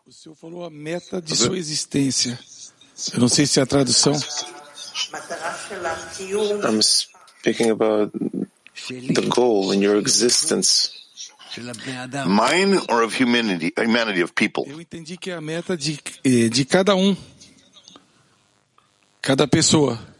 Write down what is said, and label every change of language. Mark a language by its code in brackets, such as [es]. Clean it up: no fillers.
[pt] O senhor falou a meta de sua existência. Eu não sei se é a tradução. [en] I'm speaking about the goal in your existence. Mine or of humanity, of people? [pt] Eu entendi que é a meta de cada um, cada pessoa.